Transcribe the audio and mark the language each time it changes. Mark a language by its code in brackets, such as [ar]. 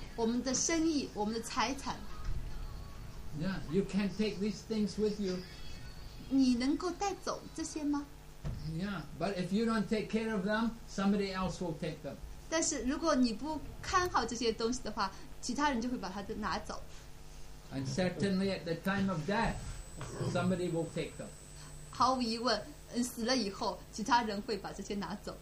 [zh] 我们的生意，我们的财产。 [en] Yeah, you can't take these things with you. [zh] 你能够带走这些吗？ [en] Yeah, but if you don't take care of them, somebody else will take them. [zh] 但是如果你不看好这些东西的话，其他人就会把它拿走。 [en] And certainly at the time of death, somebody will take them. [zh] 毫无疑问，死了以后，其他人会把这些拿走。